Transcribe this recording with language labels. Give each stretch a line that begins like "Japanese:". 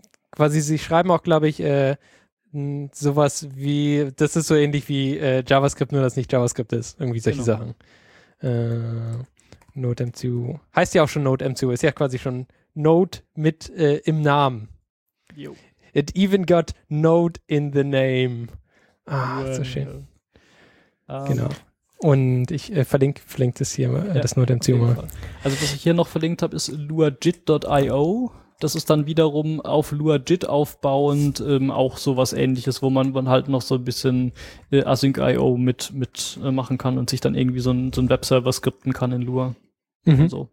German: Quasi, sie schreiben auch, glaube ich, sowas wie, das ist so ähnlich wie JavaScript, nur dass nicht JavaScript ist, irgendwie solche genau. Sachen. NodeMCU heißt ja auch schon NodeMCU, ist ja quasi schon Node mit im Namen. Jo.
English: It even got Node in the name.
German: Ah, so schön. Genau. Und ich verlinke das hier, das NodeMCU mal. Also was ich hier noch verlinkt habe, ist luajit.io. Das ist dann wiederum auf LuaJIT aufbauend auch sowas Ähnliches, wo man halt noch so ein bisschen Async.io mit machen kann und sich dann irgendwie so ein Webserver skripten kann in Lua. Mhm. Und so.